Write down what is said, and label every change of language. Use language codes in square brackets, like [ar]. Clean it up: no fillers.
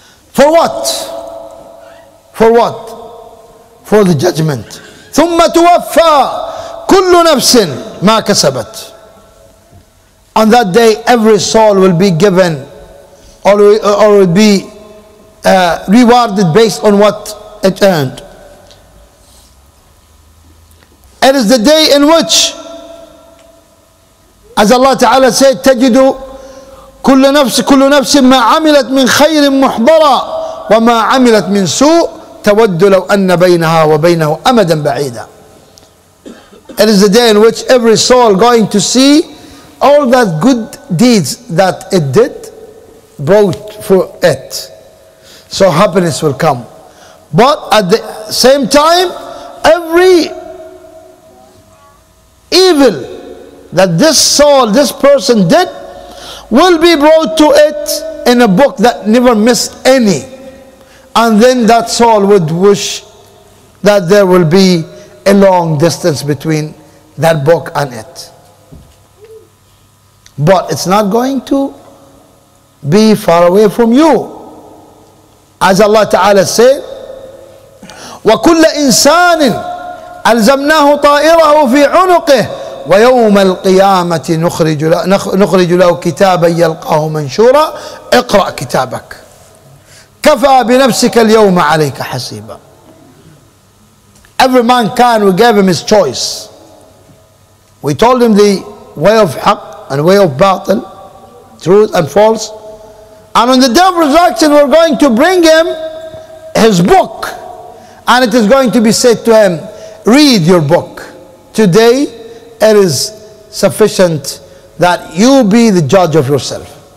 [en] For what? For what? For the judgment. [ar] ثم توفى كل نفس ما كسبت. [en] On that day, every soul will be given or will be rewarded based on what it earned. It is the day in which, as Allah Ta'ala said, [ar] تجد كل نفس كل نفس ما عملت من خير محضرا وما عملت من سوء تود لو أن بينها وبينه أمدا بعيدا. [en] It is the day in which every soul going to see all that good deeds that it did brought for it. So happiness will come. But at the same time, every evil that this soul, this person did, will be brought to it in a book that never missed any. And then that soul would wish that there will be a long distance between that book and it. But it's not going to be far away from you. As Allah Ta'ala said, [ar] وَكُلَّ إِنسَانٍ أَلْزَمْنَاهُ طَائِرَهُ فِي عُنُقِهِ وَيَوْمَ الْقِيَامَةِ نُخْرِجُ لَهُ كِتَابًا يَلْقَاهُ مَنْشُورًا اِقْرَأْ كِتَابَكَ كَفَى بِنَفْسِكَ الْيَوْمَ عَلَيْكَ حَسِيبًا. [en] Every mankind, we gave him his choice. We told him the way of haq and way of batil, truth and false. And on the day of resurrection, we're going to bring him his book. And it is going to be said to him, read your book. Today, it is sufficient that you be the judge of yourself.